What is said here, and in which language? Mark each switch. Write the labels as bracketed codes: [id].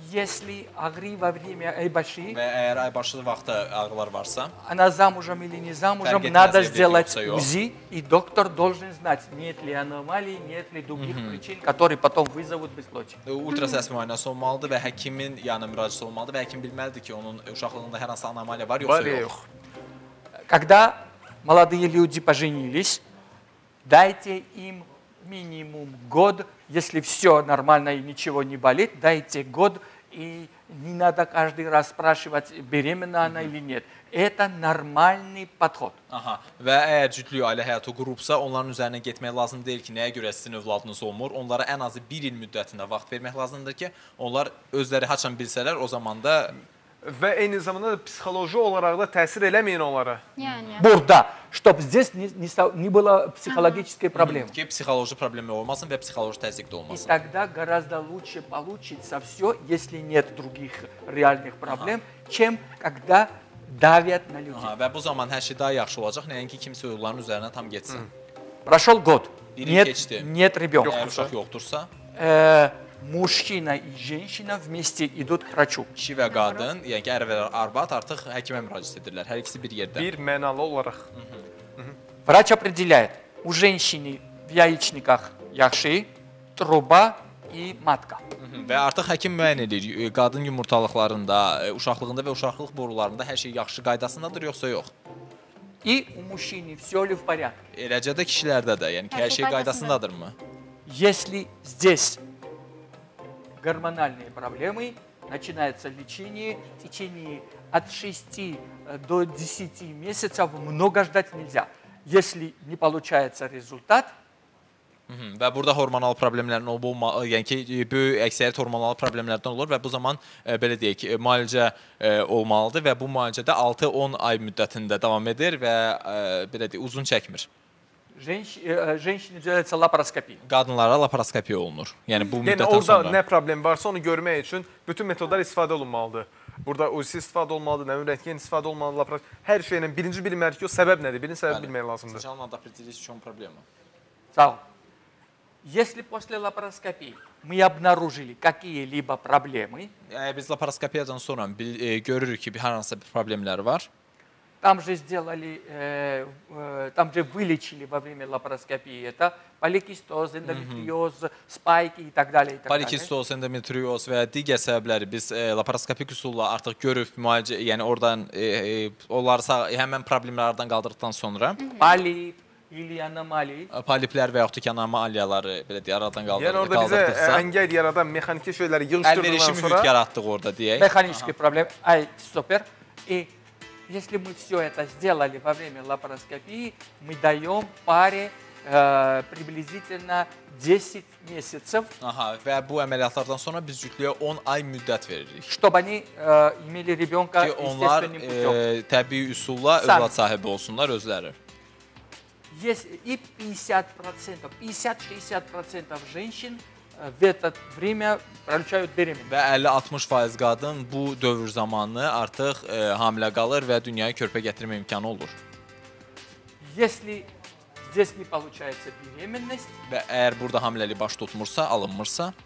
[ru] Если ağrı во время айбаши. [az] Əgər айбаши vaxtı ağrılar varsa. [ru] Она замужем или не замужем, надо сделать УЗИ, и доктор должен знать, нет ли аномалии, нет ли других причин, которые потом вызовут бесплодие. [az] Ультрасəs müayinəsi olmalıdır və həkimin yanına müraciət olmalıdır və həkim bilməlidir ki, onun uşaqlığında hər hansı anomaliya var yoxsa yox. [ru] Когда молодые люди поженились, дайте им минимум год, если все нормально и ничего не болит, дайте год, и не надо каждый раз спрашивать, беременна она или нет. Это нормальный подход. Ага. [az] Və əgər cütlüyü ailə həyatı qurubsa, onların üzərinə getmək lazım deyil ki, nəyə görə sizin övladınız olmur. Onlara ən azı bir il müddətində vaxt vermək lazımdır ki, onlar özləri haçan bilsələr, o zaman da... Və eyni zamanda da psixoloji olaraq da təsir eləməyin onlara. Yəni. Burada. [ru] Чтоб здесь не было психологической проблемы. [az] Ki psixoloji problemi olmasın və psixoloji təzyiq də olmasın. [ru] И тогда гораздо лучше получится всё, если нет других реальных проблем, чем когда давят на людей. [az] Və bu zaman hər şey daha yaxşı olacaq, nəinki kimsə onların üzərinə tam getsin. [ru] Прошёл год. Нет ребёнка. [az] Yoxdursa. Yoxdursa. [ru] Мужчина и женщина вместе идут к врачу. [az] Şiva qadın, yəni ərv və arvad artıq həkimə müraciət edirlər. Hər ikisi bir yerdə. Bir mənalı olaraq. [ru] Врач определяет: у женщины в яичниках яхши, труба и матка. [az] Və artıq həkim müəyyən edir, qadın yumurtalıqlarında, uşaqlığında və uşaqlıq borularında hər şey yaxşı qaydasındadır yoxsa yox? [ru] И у мужчины всё ли в порядке? [az] Eləcə də kişilərdə də, yəni hər şey qaydasındadırmı? [ru] Если здесь гормональные проблемы, начинается лечение, в течение от 6 до 10 месяцев много ждать нельзя. Если не получается результат, [az] Və burada hormonal problemlərin olub-olmaması, yəni ki, böyük əksəriyyət hormonal problemlərdən olur və bu zaman, belə deyək, müalicə olmalıdır və bu müalicədə 6-10 ay müddətində davam edir və, belə deyək, uzun çəkmir. [ru] Женщине делается лапароскопия. [az] Qadınlara лапароскопия olunur. Yəni bu müddətdən sonra. Yəni orada nə problem varsa onu görmək üçün bütün metodlar istifadə olunmalıdır. Burada UZİ istifadə olmalıdır, nəmun rentgen istifadə olmalıdır, laparoskopiya. Hər şeyin birinci bilməlidir ki, o səbəb nədir? Birinci səbəbi bilmək lazımdır. Yəni canlı adapteriz üçün problem. Sağ ol. [ru] Если после лапароскопии мы обнаружили какие-либо проблемы. [az] Biz laparoskopiyadan sonra görürük ki, hər hansı bir problemlər var. [ru] Там же сделали, там же вылечили во время лапароскопии это поликистоз, эндометриоз, спайки и так далее. [az] Поликистоз, эндометриоз və digər səbəbləri biz laparoskopik üsulla artıq görüb müalicə, yəni oradan onlarsa həmin problemlərdən qaldırdıqdan sonra [ru] polip или аномалии. [az] Полиплər və yaxud ki anomaliyaları belə deyə aradan qaldırdıqsa. Yəni orada bizə əngəl yaradan mexaniki şeyləri yığışdırdıqdan sonra əlverişli mühit yaratdıq orada deyək. Mexaniki problem. Ay super. [ru] Если мы все это сделали во время лапароскопии, мы даем паре приблизительно 10 месяцев. [az] Ага, və bu əməliyyatlardan sonra biz cütlüyə 10 ay müddət veririk. [ru] Чтобы они имели ребенка естественным путем. [az] Ki onlar təbii üsulla övlad sahibi olsunlar özləri. [ru] И 50%, 50-60% женщин в это время получают беременность. [az] Və 50-60% qadın bu dövr zamanı artıq hamilə qalır və dünyaya körpə gətirmə imkanı olur. [ru] Если здесь не получается беременность, [az] və əgər burada hamiləlik baş tutmursa, alınmırsa,